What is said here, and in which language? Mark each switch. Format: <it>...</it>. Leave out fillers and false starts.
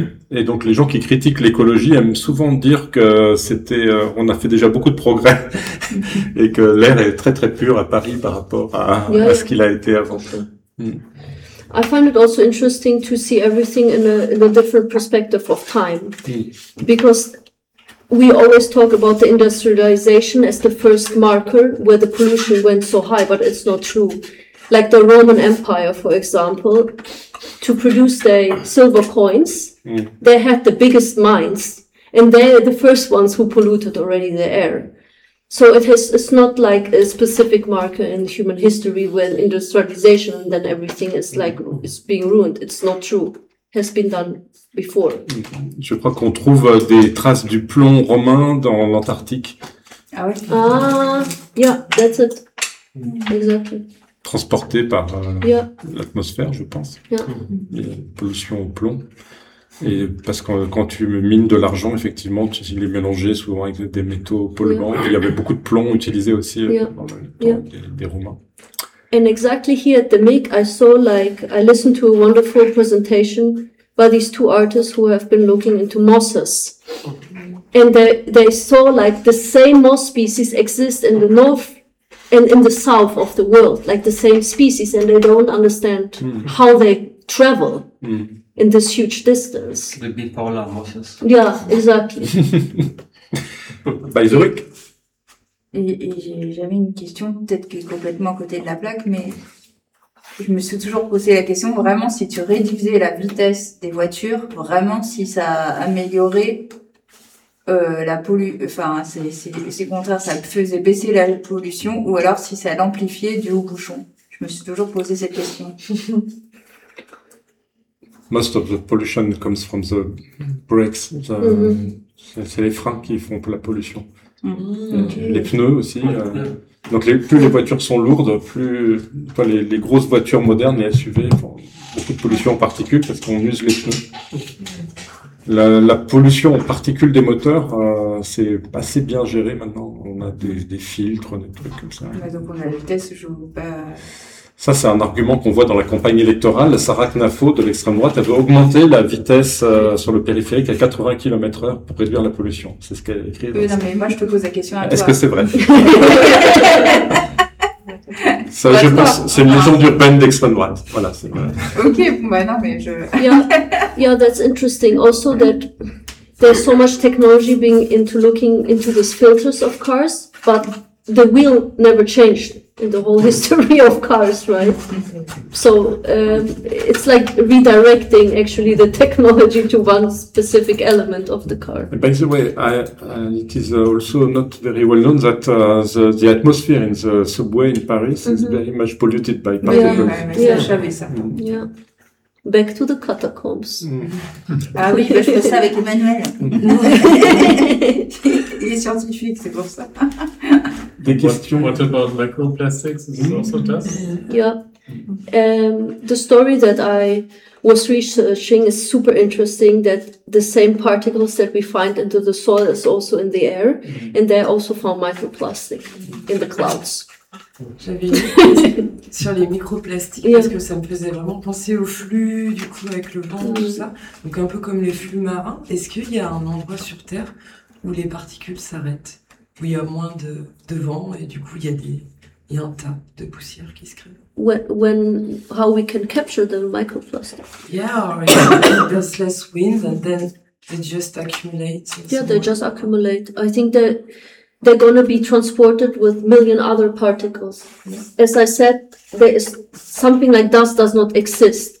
<fr>Et donc les gens qui critiquent l'écologie aiment souvent dire que c'était on a fait déjà beaucoup de progrès et que l'air est très très pur à Paris par rapport à ce qu'il a été avant.</fr> <en>I find it also interesting to see everything in a different perspective of time, because we always talk about the industrialization as the first marker where the pollution went so high, but it's not true. Like the Roman Empire, for example, to produce their silver coins, they had the biggest mines, and they're the first ones who polluted already the air. So it's not like a specific marker in human history where industrialization and then everything is like is being ruined. It's not true. It has been done before.</en> <fr>Je crois qu'on trouve des traces du plomb romain dans l'Antarctique. Ah oui.</fr> <en>Ah, yeah, that's it. Exactly.</en> <fr>Transporté par l'atmosphère, je pense.</fr> <en>Yeah.</en> <fr>La pollution au plomb. Et parce que quand tu mines de l'argent, effectivement, il est mélangé souvent avec des métaux polluants. Il y avait beaucoup de plomb utilisé aussi des Romains.</fr> <en>And exactly here at the MIG, I listened to a wonderful presentation by these two artists who have been looking into mosses. And they saw like the same moss species exist in the north and in the south of the world, like the same species, and they don't understand how they travel in this huge distance. The bipolar mosses. Yeah, exactly. By Zurich.</en> <fr>J'avais une question, peut-être que complètement à côté de la plaque, mais je me suis toujours posé la question, vraiment, si tu réduisais la vitesse des voitures, vraiment, si ça améliorait c'est contraire, ça faisait baisser la pollution, ou alors si ça l'amplifiait du haut bouchon. Je me suis toujours posé cette question.</fr> <en>Most of the pollution comes from the brakes.</en> <fr>The, c'est les freins qui font la pollution. Les pneus aussi. Donc plus les voitures sont lourdes, plus enfin, les grosses voitures modernes, les SUV, font beaucoup de pollution en particules parce qu'on use les pneus. La pollution en particules des moteurs, c'est assez bien géré maintenant. On a des filtres, des trucs comme ça. Donc on a le test, je vous... Ça, c'est un argument qu'on voit dans la campagne électorale. Sarah Knafo, de l'extrême droite, avait augmenté la vitesse sur le périphérique à 80 km/h pour réduire la pollution. C'est ce qu'elle a écrit. Non, mais moi, je te pose la question à toi. Est-ce que c'est vrai? Ça, je pense, c'est une légende urbaine d'extrême droite. Voilà, c'est vrai. Ok, bon, bah non, mais je...</fr> <en>yeah, that's interesting. Also, that there's so much technology being into looking into these filters of cars, but the wheel never changed. In the whole history of cars, right? So it's like redirecting actually the technology to one specific element of the car. By the way, it is also not very well known that the atmosphere in the subway in Paris is very much polluted by particles. yeah. Back to the catacombs.</en> <fr>Ah oui, je fais ça avec Emmanuel. Il est scientifique, c'est pour ça. Des questions.</fr> <en>What about microplastics? Is this also dust? Yeah. The story that I was researching is super interesting, that the same particles that we find into the soil is also in the air, and they also found microplastic in the clouds.</en> <fr>J'avais une question sur les microplastiques, parce que ça me faisait vraiment penser au flux, du coup, avec le vent, tout ça. Donc, un peu comme les flux marins, est-ce qu'il y a un endroit sur Terre où les particules s'arrêtent, où il y a moins de vent, et du coup, il y a un tas de poussière qui se crée?</fr> <en>When how we can capture the microplastics? Yeah, or there's less wind, and then they just accumulate. Yeah, they just accumulate. I think that... They're going to be transported with million other particles. Yeah. As I said, there is something like dust does not exist.</en>